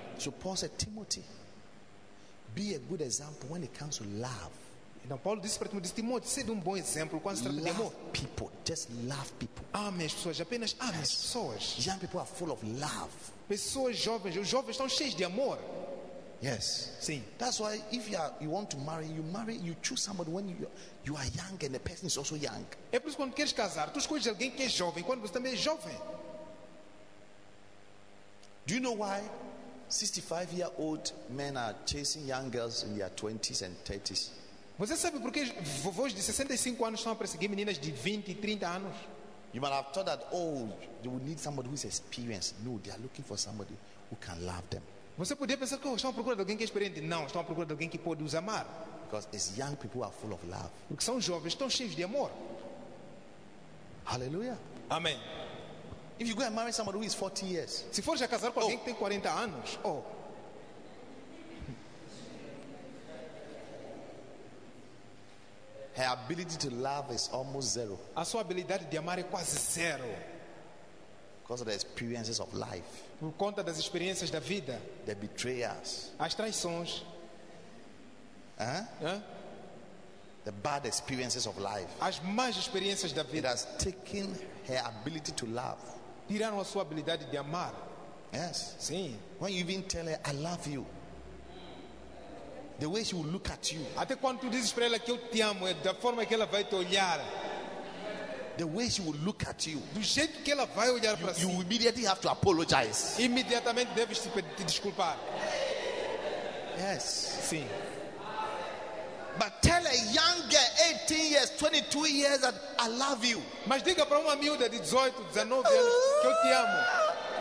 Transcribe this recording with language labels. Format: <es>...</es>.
<en>So Paul said, Timothy, be a good example when it comes to love.</en> <pt>Então Paulo disse para Timóteo, seja um bom exemplo quando se trata de amor.</pt> <en>People, just love people.</en> <pt>Ame as pessoas, apenas ame as pessoas.</pt> <en>Young people are full of love.</en> <pt>Pessoas jovens, os jovens estão cheios de amor.</pt> <en>Yes.</en> <pt>Sim.</pt> <en>That's why if you want to marry, you marry, you choose somebody when you are young and the person is also young.</en> <pt>É por isso quando queres casar, tu escolhes alguém que é jovem quando você também é jovem.</pt> <en>Do you know why 65-year-old men are chasing young girls in their 20s and 30s?</en> <pt>Você sabe por que vovôs de 65 anos estão a perseguir meninas de 20 e 30 anos?</pt> <en>You might have thought that, oh, they will need somebody who is experienced. No, they are looking for somebody who can love them.</en> <pt>Você poderia pensar que estão à procura de alguém que é experiente. Não, estão à procura de alguém que pode os amar.</pt> <en>Because it's young people who are full of love.</en> <pt>Porque são jovens, estão cheios de amor.</pt> <en>Hallelujah.</en> <pt>Amém.</pt> <en>If you go and marry somebody who is 40 years.</en> <pt>Se for já casar com alguém que tem 40 anos.</pt> <en>Oh. Her ability to love is almost zero.</en> <pt>A sua habilidade de amar é quase zero.</pt> <en>Because of the experiences of life.</en> <pt>Por conta das experiências da vida.</pt> <en>The betrayals.</en> <pt>As traições.</pt> <en>The bad experiences of life.</en> <pt>As más experiências da vida.</pt> <en>It has taken her ability to love.</en> <pt>Tiraram a sua habilidade de amar.</pt> <en>Yes.</en> <pt>Sim.</pt> <en>When you even tell her, I love you. The way she will look at you.</en> <pt>Até quando tu dizes para ela que eu te amo, é da forma que ela vai te olhar.</pt> <en>The way she will look at you.</en> <pt>Do jeito que ela vai olhar para</pt> <en>si. You immediately have to apologize.</en> <pt>Imediatamente deves te desculpar.</pt> <en>Yes.</en> <pt>Sim.</pt> <en>But tell a young girl, 18 years, 22 years, that I love you.</en> <pt>Mas diga para uma miúda de 18, 19 anos que eu te amo.</pt>